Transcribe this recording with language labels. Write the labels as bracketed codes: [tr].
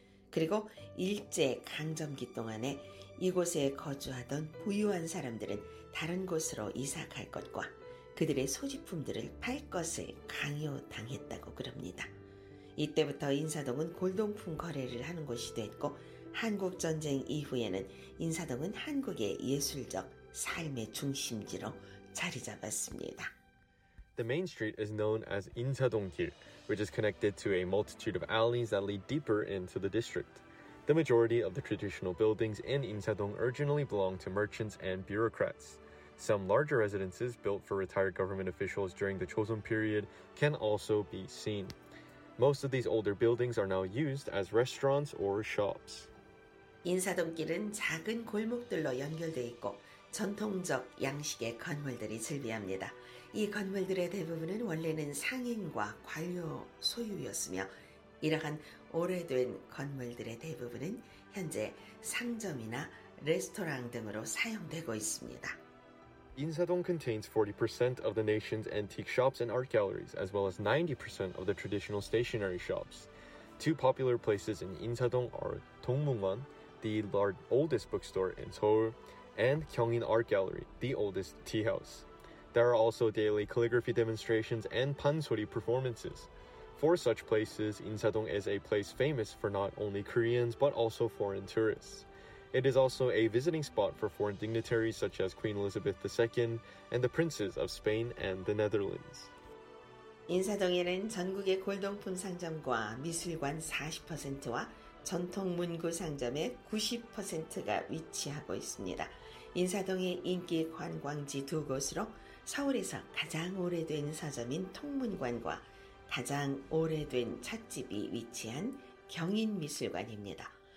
[ko] 그리고 일제강점기 동안에 이곳에 거주하던 부유한 사람들은 다른 곳으로 이사갈 것과 그들의 소지품들을 팔 것을 강요당했다고 그럽니다. 이때부터 인사동은 골동품 거래를 하는 곳이 됐고 한국전쟁 이후에는 인사동은 한국의 예술적 삶의 중심지로 자리 잡았습니다. [en] The main street is known as Insadong-gil, which is connected to a multitude of alleys that lead deeper into the district. The majority of the traditional buildings in Insadong originally belonged to merchants and bureaucrats. Some larger residences built for retired government officials during the Joseon period can also be seen. Most of these older buildings are now used as restaurants or shops. [ko] 인사동길은 작은 골목들로 연결되어 있고 전통적 양식의 건물들이 즐비합니다. 이 건물들의 대부분은 원래는 상인과 관료 소유였으며 이러한 오래된 건물들의 대부분은 현재 상점이나 레스토랑 등으로 사용되고 있습니다. [en] Insadong contains 40% of the nation's antique shops and art galleries, as well as 90% of the traditional stationery shops. Two popular places in Insadong are Dongmungwon, the oldest bookstore in Seoul, and Gyeongin Art Gallery, the oldest tea house. There are also daily calligraphy demonstrations and pansori performances. For such places, Insadong is a place famous for not only Koreans, but also foreign tourists. It is also a visiting spot for foreign dignitaries such as Queen Elizabeth II and the princes of Spain and the Netherlands. [ko] 인사동에는 전국의 골동품 상점과 미술관 40%와 전통 문구 상점의 90%가 위치하고 있습니다. 인사동의 인기 관광지 두 곳으로 서울에서 가장 오래된 서점인 통문관과 가장 오래된 찻집이 위치한 경인미술관입니다.